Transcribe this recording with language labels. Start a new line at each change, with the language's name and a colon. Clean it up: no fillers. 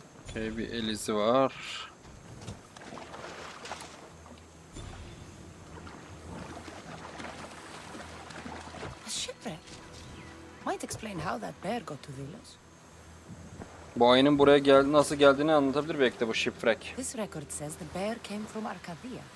Turkish: Okay, bir el izi var.
English: A shipwreck. Might explain how that bear got to Vilos.
Turkish: Bu ayının buraya nasıl geldiğini anlatabilir belki de bu shipwreck.
English: This record says the bear came from Arcadia.